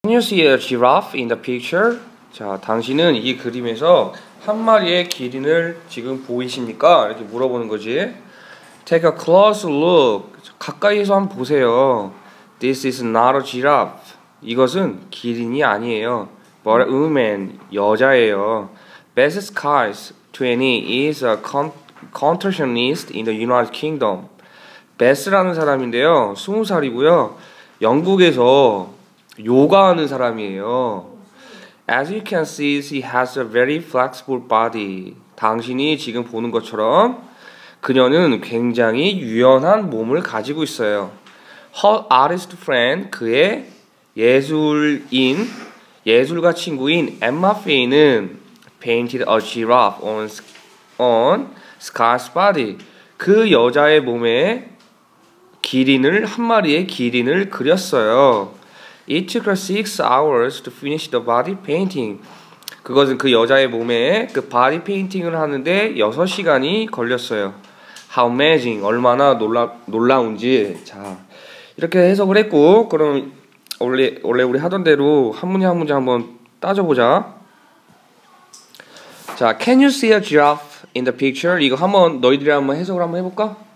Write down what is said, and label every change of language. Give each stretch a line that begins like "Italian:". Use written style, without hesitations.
English: Can you see a giraffe in the picture?
Korean: 자, 당신은 이 그림에서 한 마리의 기린을 지금 보이십니까? 이렇게 물어보는 거지.
English: Take a close look.
Korean: 가까이에서 한번 보세요.
English: This is not a giraffe.
Korean: 이것은 기린이 아니에요.
English: But a woman,
Korean: 여자예요.
English: Beth Skies, 20, is a contortionist in the United Kingdom.
Korean: Beth라는 사람인데요. 20살이고요. 영국에서 요가하는 사람이에요.
English: As you can see, she has a very flexible body.
Korean: 당신이 지금 보는 것처럼 그녀는 굉장히 유연한 몸을 가지고 있어요.
English: Her artist friend,
Korean: 그의 예술가 친구인 엠마 페인은
English: painted a giraffe on Sky's body.
Korean: 그 여자의 몸에 기린을, 한 마리의 기린을 그렸어요.
English: It took her 6 hours to finish the body painting.
Korean: 그것은 그 여자의 몸에 그 body painting을 하는데 6시간이 걸렸어요.
English: How amazing.
Korean: 얼마나 놀라운지. 자, 이렇게 해석을 했고, 그럼 원래 우리 하던 대로 한 문제 한번 따져보자.
English: 자, Can you see a giraffe in the picture?
Korean: 이거 한번 너희들이 한번 해석을 한번 해볼까?